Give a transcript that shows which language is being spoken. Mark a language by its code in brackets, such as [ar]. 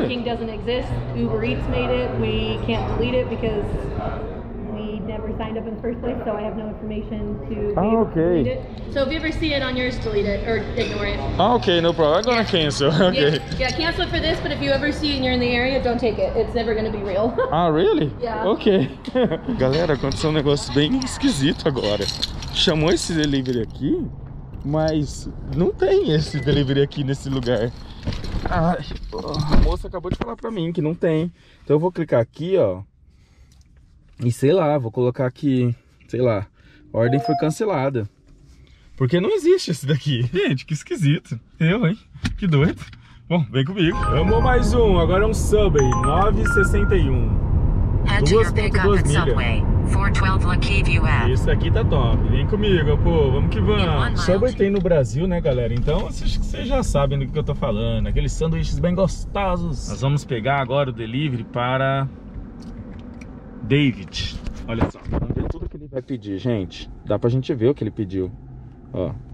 [en] Sharma King doesn't exist. Uber Eats made it. We can't delete it because never signed up in the first place, so I have no information to Oh, okay. Delete it. So if you ever see it on yours, delete it or ignore it. Okay, no problem. I'm gonna cancel. Okay. Yeah, cancel it for this, but if you ever see it and you're in the area, don't take it. It's never gonna be real. Ah, really? Yeah. Okay. [pt] Galera, aconteceu um negócio bem esquisito agora. Chamou esse delivery aqui, mas não tem esse delivery aqui nesse lugar. Ai, a moça acabou de falar pra mim que não tem. Então eu vou clicar aqui, ó. E sei lá, vou colocar aqui, sei lá, ordem foi cancelada. Porque não existe esse daqui. Gente, que esquisito. Eu, hein? Que doido. Bom, vem comigo. Vamos mais um, agora é um Subway, 9,61. [en] Head to your pickup at Subway, 412 La Key View App. [pt] Isso aqui tá top, vem comigo, pô, vamos que vamos. Subway tem no Brasil, né, galera? Então, acho que vocês já sabem do que eu tô falando. Aqueles sanduíches bem gostosos. Nós vamos pegar agora o delivery para David. Olha só, vamos ver tudo que ele vai pedir, gente. Dá pra gente ver o que ele pediu. Ó.